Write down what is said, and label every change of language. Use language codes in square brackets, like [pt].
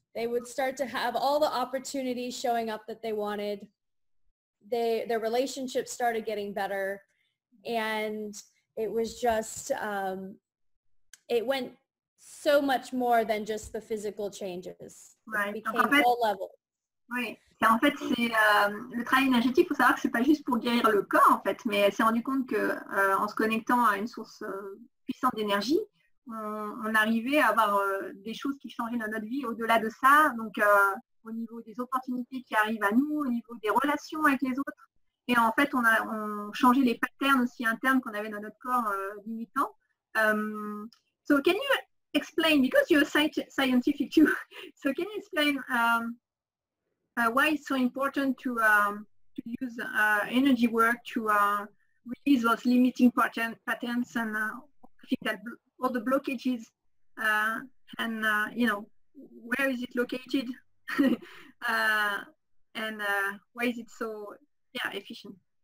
[en] They would start to have all the opportunities showing up that they wanted. Their relationships started getting better. And it was just, it went so much more than just the physical changes. Right. It became all levels. [fr] Oui, et en fait, c'est le travail énergétique, il faut savoir que c'est pas juste pour guérir le corps, en fait, mais elle s'est rendue compte que en se connectant à une source puissante d'énergie, on arrivait à avoir des choses qui changeaient dans notre vie au-delà de ça, donc au niveau des opportunités qui arrivent à nous, au niveau des relations avec les autres, et en fait, on changeait les patterns aussi internes qu'on avait dans notre corps limitant. [en] So, can you explain, because you're scientific too, so can you explain why it's so important to use energy work to release those limiting patterns and all the blockages and you know, where is it located and why is it so efficient?